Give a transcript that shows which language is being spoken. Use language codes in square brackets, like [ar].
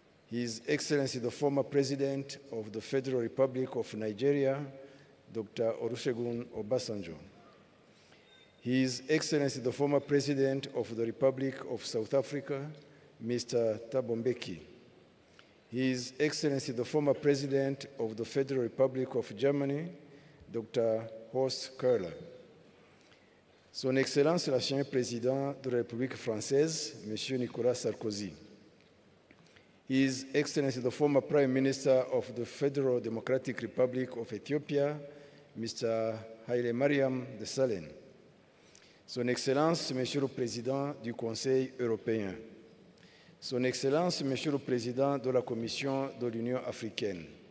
[en] His Excellency the former President of the Federal Republic of Nigeria, Dr. Olusegun Obasanjo. His Excellency the former President of the Republic of South Africa, Mr. Thabo Mbeki. His Excellency the former President of the Federal Republic of Germany, Dr. Horst Köhler. [fr] Son Excellence l'ancien Président de la République Française, Monsieur Nicolas Sarkozy. [en] His Excellency the former Prime Minister of the Federal Democratic Republic of Ethiopia, Mr. Haile Mariam Desalegn. [fr] Son Excellence, Monsieur le Président du Conseil européen. Son Excellence, Monsieur le Président de la Commission de l'Union africaine.